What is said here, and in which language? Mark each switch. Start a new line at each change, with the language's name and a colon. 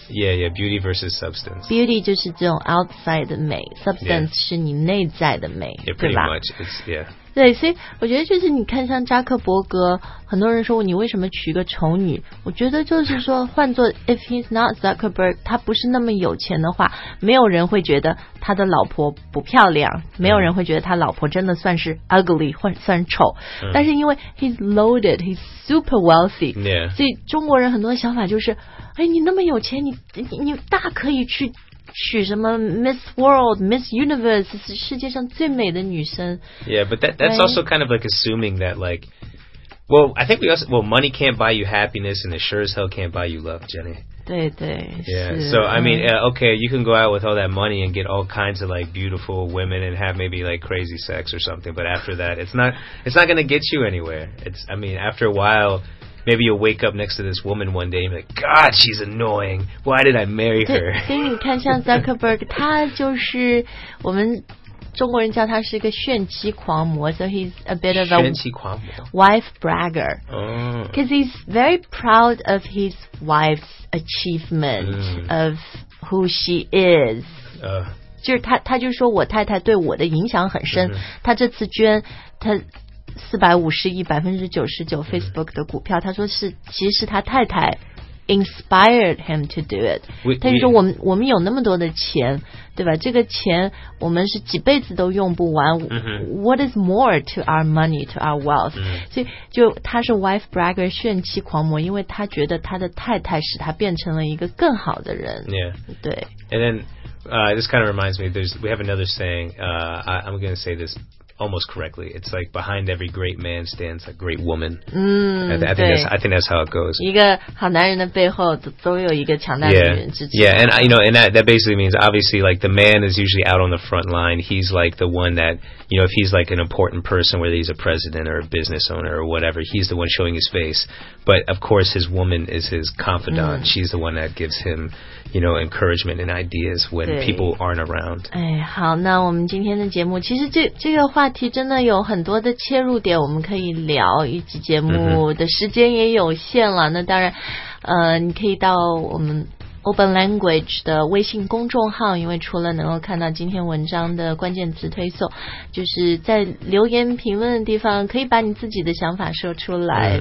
English: yeah yeah beauty versus substance
Chinese: beauty 就是这种 outside 的美 substance、
English: yeah.
Chinese: 是你内在的美
English: yeah, pretty
Chinese: 对吧
English: much, it's, yeah.
Chinese: 对所以我觉得就是你看像扎克伯格很多人说你为什么娶个丑女我觉得就是说换作
English: if he's not Zuckerberg
Chinese: 他不是那么有钱的话没有人会觉得他的老婆不漂亮没有人会觉得他老婆真的算是 ugly 或者算丑、嗯、但是因为
English: he's loaded he's super wealthy、 yeah.
Chinese: 所以中国人很多的想法就是哎，你那么有钱你大可以去娶什么 Miss World Miss Universe 世界上最美的女生
English: yeah but that's also kind of like assuming that likeWell, I think we also, well, money can't buy you happiness and it sure as hell can't buy you love, Jenny.
Chinese: 对对
English: Yeah, so I mean, okay, you can go out with all that money and get all kinds of like beautiful women and have maybe like crazy sex or something. But after that, it's not going to get you anywhere. After a while, maybe you'll wake up next to this woman one day and be like, God, she's annoying. Why did I marry her?
Chinese: 所以你看像 Zuckerberg, 他就是我们中国人叫他是一个炫妻狂魔
English: So he's a bit of a
Chinese: 炫妻狂魔
English: wife bragger Because he's very proud of his wife's achievement of who she is
Chinese: 就是他就说我太太对我的影响很深他这次捐他450亿99% Facebook 的股票他说是其实他太太
English: inspired him to do it
Chinese: 他就说我们有那么多的钱对吧这个钱我们是几辈子都用不完、 mm-hmm.
English: What is more to our money to our wealth、 mm-hmm.
Chinese: 所以就他是
English: wife bragger
Chinese: 炫妻狂魔因为他觉得他的太太使他变成了一个更好的人、
English: yeah.
Chinese: 对
English: And then、this kind of reminds me we have another saying、I'm going to say thisalmost correctly it's like behind every great man stands a great woman、I think that's how it goes
Chinese: 一个好男人的背后总有一个强大的女人支持
English: yeah and you know and that basically means obviously like the man is usually out on the front line he's like the one that you know if he's like an important person whether he's a president or a business owner or whatever he's the one showing his face but of course his woman is his confidant、mm. she's the one that gives him you know encouragement and ideas when people aren't around
Chinese: 哎好那我们今天的节目其实这个话题真的有很多的切入点我们可以聊一集节目的时间也有限了那当然你可以到我们 Open Language 的微信公众号因为除了能够看到今天文章的关键词推送就是在留言评论的地方可以把你自己的想法说出来、